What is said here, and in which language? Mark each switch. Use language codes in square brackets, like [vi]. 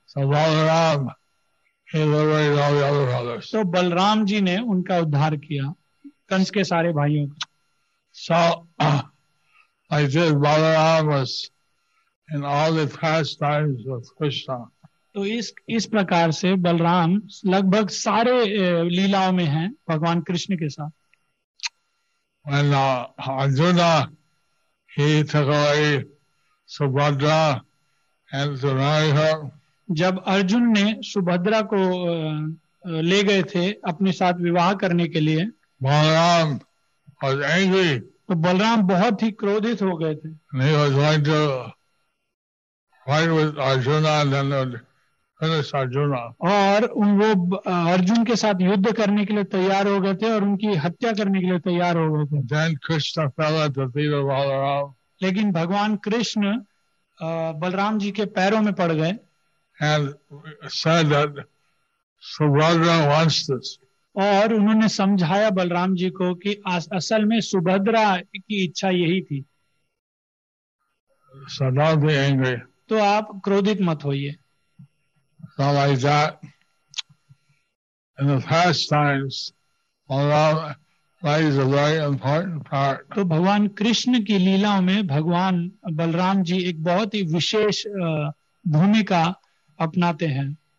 [en] So Balaram, he liberated all the other brothers. [hi] तो बलराम जी ने उनका उद्धार किया कंस के सारे भाइयों. [en] So, like this, Balaram was in all the pastimes of Krishna. [hi] तो इस प्रकार से बलराम लगभग सारे लीलाओं में हैं भगवान कृष्ण के साथ. [en] When Arjuna, he took away Subhadra and Duryodhana. [hi] जब अर्जुन ने सुभद्रा को ले गए थे अपने साथ विवाह करने के लिए, [en] Balram was angry. [hi] तो बलराम बहुत ही क्रोधित हो गए थे. [en] He was going to fight with Arjuna and then finish Arjuna. [hi] और वो अर्जुन के साथ युद्ध करने के लिए तैयार हो गए थे और उनकी हत्या करने के लिए तैयार हो गए थे. [en] Then Krishna fell at the feet of Balaram. [hi] लेकिन भगवान कृष्ण बलराम जी के पैरों में पड़ गए. [en] And said that Subhadra wants this. [hi] और उन्होंने समझाया बलराम जी को कि असल में सुभद्रा की इच्छा यही थी. [en] So don't be angry. [hi] तो आप क्रोधित मत होइए. [en] So like that, in the pastimes, Balaram plays a very important part. [hi] तो भगवान कृष्ण की लीलाओं में भगवान बलराम जी एक बहुत ही विशेष भूमिका अपनाते हैं.